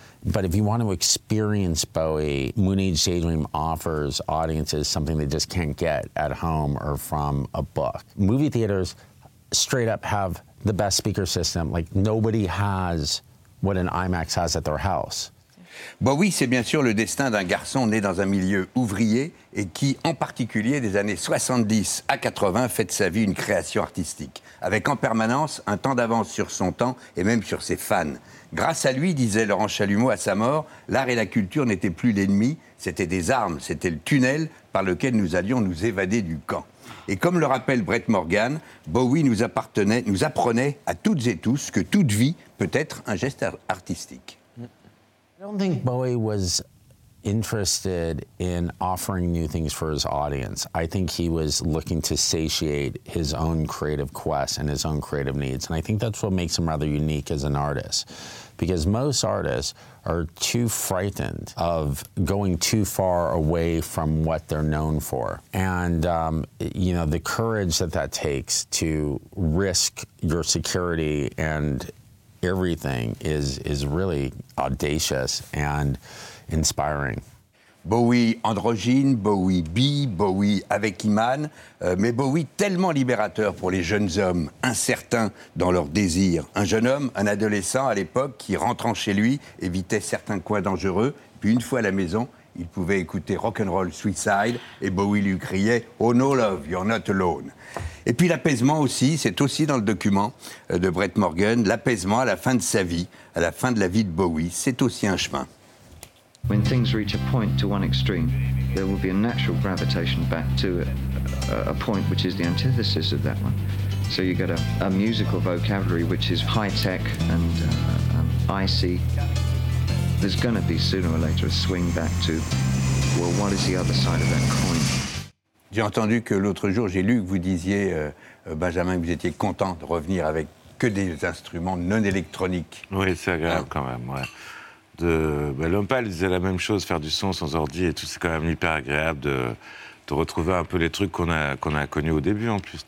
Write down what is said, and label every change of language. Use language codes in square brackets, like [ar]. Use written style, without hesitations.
[en] But if you want to experience Bowie, Moon Age Daydream offers audiences something they just can't get at home or from a book. Movie theaters straight up have the best speaker system, like nobody has what an IMAX has at their house. [fr] Bah oui, c'est bien sûr le destin d'un garçon né dans un milieu ouvrier et qui, en particulier des années 70 à 80, fait de sa vie une création artistique, avec en permanence un temps d'avance sur son temps et même sur ses fans. Grâce à lui, disait Laurent Chalumeau à sa mort, l'art et la culture n'étaient plus l'ennemi, c'était des armes, c'était le tunnel par lequel nous allions nous évader du camp. Et comme le rappelle Brett Morgan, Bowie nous apprenait à toutes et tous que toute vie peut être un geste artistique. [en] I don't think Bowie was interested in offering new things for his audience. I think he was looking to satiate his own creative quest and his own creative needs. And I think that's what makes him rather unique as an artist. Because most artists are too frightened of going too far away from what they're known for. And, you know, the courage that takes to risk your security and everything is really audacious and inspiring. [fr] Bowie androgyne, Bowie bi, Bowie avec Iman, mais Bowie tellement libérateur pour les jeunes hommes incertains dans leurs désirs. Un jeune homme, un adolescent à l'époque, qui rentrant chez lui, évitait certains coins dangereux. Puis une fois à la maison, il pouvait écouter Rock'n'Roll Suicide et Bowie lui criait « [en] Oh no love, you're not alone ». [fr] Et puis l'apaisement aussi, c'est aussi dans le document de Brett Morgan, l'apaisement à la fin de sa vie, à la fin de la vie de Bowie, c'est aussi un chemin. [en] When things reach a point to one extreme, there will be a natural gravitation back to a point which is the antithesis of that one. So you get a musical vocabulary which is high-tech and icy. There's going to be sooner or later a swing back to, well, what is the other side of that coin? [fr] J'ai entendu que l'autre jour, j'ai lu que vous disiez, Benjamin, que vous étiez content de revenir avec que des instruments non électroniques. Oui, c'est agréable quand même, ouais. L'Homme-Pâle disait la même chose, faire du son sans ordi et tout, c'est quand même hyper agréable de retrouver un peu les trucs qu'on a connus au début en plus.